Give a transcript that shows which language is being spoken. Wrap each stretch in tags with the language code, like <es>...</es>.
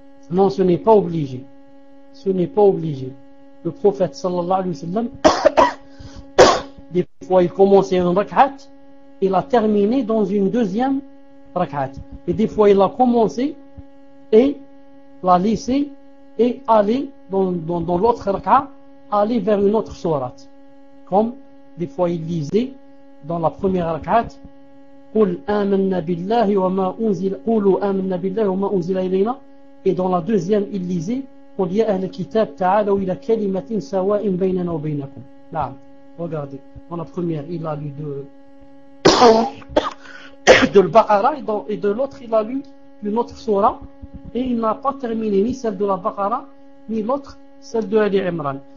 <fr>Non, ce n'est pas obligé. Ce n'est pas obligé. Le prophète sallallahu alayhi wa sallam, des fois il commençait une raka il a terminé dans une deuxième rak'at. Et des fois, il a commencé et l'a laissé et allé dans l'autre rak'at, aller vers une autre surat. Comme des fois, il lisait dans la première rak'at,</fr> <ar>قُلْ آمَنَّ بِاللَّهِ وَمَا أُنْزِلَ قُلُوا آمَنَّ بِاللَّهِ وَمَا أُنْزِلَ إِلَيْنَا.</ar> <fr>Et dans la deuxième, il lisait</fr> <ar>قُلْ يَا أَهْلَ كِتَابَ تَعَالَوْا إِلَى كَلِمَةٍ سَوَاءٍ بَيْنَنَا وَبَيْنَكُمْ.</ar> <fr>Là, regardez, dans la première, il a lu de l'Baqara et de l'autre, il a lu une autre surah et il n'a pas terminé ni celle de la Baqara ni l'autre, celle de Ali Imran.</fr>